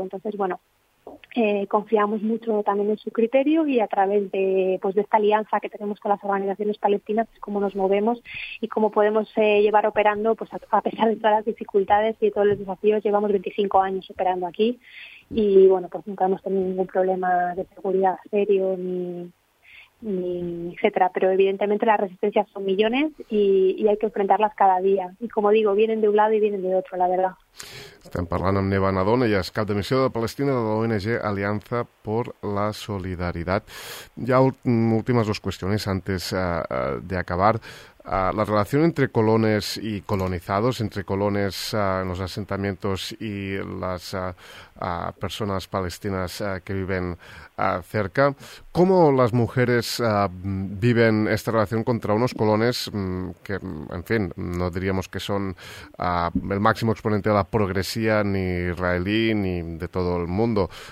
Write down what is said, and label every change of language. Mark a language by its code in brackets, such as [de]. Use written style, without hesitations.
[es] Entonces, bueno, confiamos mucho también en su criterio y a través de pues de esta alianza que tenemos con las organizaciones palestinas es cómo nos movemos y cómo podemos llevar operando pues a pesar de todas las dificultades y de todos los desafíos. Llevamos 25 años operando aquí y bueno, pues nunca hemos tenido ningún problema de seguridad serio ni etcétera, pero evidentemente las resistencias son millones y hay que enfrentarlas cada día. Y como digo, vienen de un lado y vienen de otro, la verdad. [ca] Estem parlant amb Neva Nadona, ella és cap de missió de Palestina de l'ONG Aliança per la Solidaritat. Ja últimes dues qüestions antes de acabar. [es] La relación entre colones y colonizados, entre colones en los asentamientos y las personas palestinas que viven cerca. ¿Cómo las mujeres viven esta relación contra unos colones que, en fin, no diríamos que son el máximo exponente de la progresía ni israelí ni de todo el mundo?